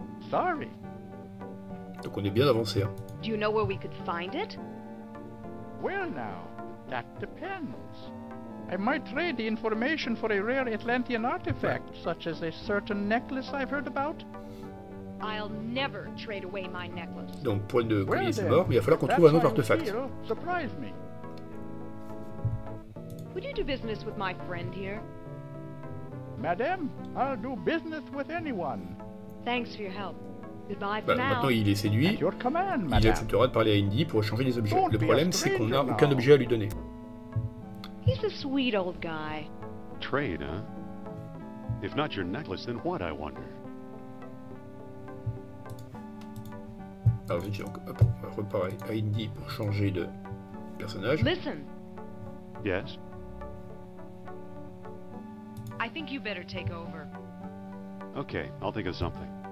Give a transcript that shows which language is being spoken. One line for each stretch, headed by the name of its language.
English: Sorry.
French: Donc on est bien avancé, hein.
English: Do you know where we could find it? Well now. That depends. I might trade the information for a rare Atlantean artifact, such as a certain necklace I've heard about. I'll never trade away my necklace.
French: Donc, point de collier, c'est mort, mais il va falloir qu'on trouve un autre artefact.
English: Surprise me. Would you do business with my friend here? Madame, I'll do business with anyone. Thanks for your help. Goodbye for now.
French: Maintenant, il est séduit.
English: At your command,
French: il acceptera de parler à Indy pour échanger des objets.
English: Don't
French: le problème, c'est qu'on n'a aucun objet à lui donner.
English: He's a sweet old guy. Trade, hein? If not your necklace, then what, I wonder?
French: Alors, je dis donc, hop, on va reparler à Indy pour changer de personnage.
English: Listen. Yes. I think you better take over. Okay, I'll think of something.